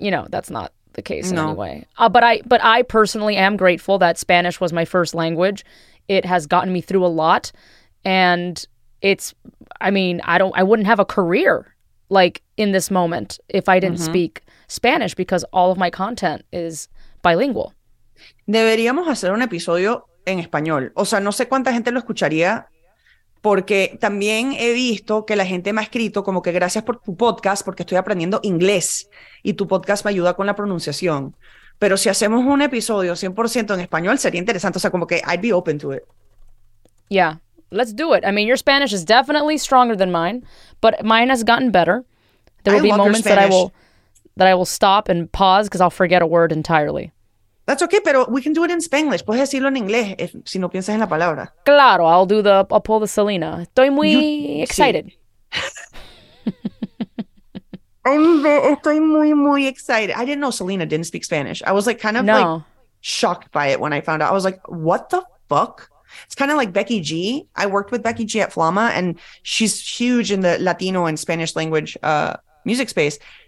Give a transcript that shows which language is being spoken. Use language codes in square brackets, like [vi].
[en] You know, that's not the case in any way. But I personally am grateful that Spanish was my first language. It has gotten me through a lot. And it's, I mean, I wouldn't have a career like in this moment if I didn't speak Spanish, because all of my content is bilingual. [es] Deberíamos hacer un episodio en español. O sea, no sé cuánta gente lo escucharía, porque también he visto que la gente me ha escrito como que gracias por tu podcast, porque estoy aprendiendo inglés y tu podcast me ayuda con la pronunciación. Pero si hacemos un episodio 100% en español, sería interesante. O sea, como que [en] I'd be open to it. Yeah. Let's do it. I mean, your Spanish is definitely stronger than mine, but mine has gotten better. There will be moments that I will stop and pause because I'll forget a word entirely. That's okay, pero we can do it in Spanglish. [es] Puedes decirlo en inglés si no piensas en la palabra. [en] Claro, I'll do the, I'll pull the Selena. [es] Estoy muy excited. Estoy muy, muy [en] excited. I didn't know Selena didn't speak Spanish. I was like kind of like shocked by it when I found out. I was like, what the fuck? It's kind of like Becky G. I worked with Becky G at Flama, and she's huge in the Latino and Spanish language music space.